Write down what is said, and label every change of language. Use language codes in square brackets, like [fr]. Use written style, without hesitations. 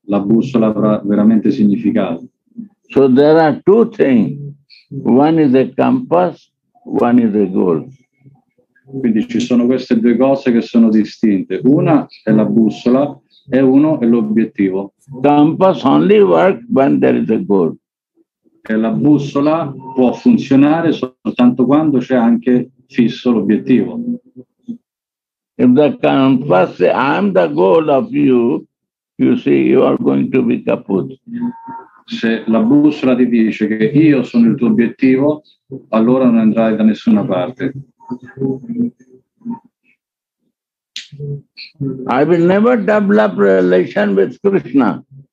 [it] La bussola avrà veramente significato. [en] So there are two things. One is a compass, one is a goal. [it] Quindi ci sono queste due cose che sono distinte. Una è la bussola e uno è l'obiettivo. [en] Compass only works when there is a goal. [it] E la bussola può funzionare soltanto quando c'è anche fisso l'obiettivo. [en] If the compass says, I am the goal of you, you see, you are going to be kaput. [it] Se la bussola ti dice che io sono il tuo obiettivo, allora non andrai da nessuna parte. [en] I will never develop relation with Krishna.